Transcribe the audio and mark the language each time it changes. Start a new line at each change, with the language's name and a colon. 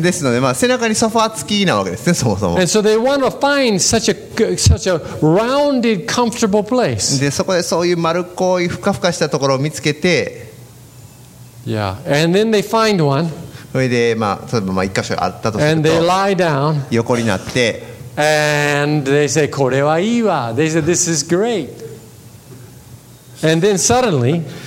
Japanese: ですので、まあ、背中にソファー付きなわけですね、そもそも。
English: And so they want to find such a rounded, comfortable place.
Japanese: で、そこでそういう丸っこいふかふかしたところを見つけて、
English: Yeah, and then they find one.
Japanese: それでまあ例えばまあ一箇所あったとすると、
English: and they lie down.
Japanese: 横になって、
English: and they say
Japanese: これはいいわ。
English: They say this is great. And then suddenly,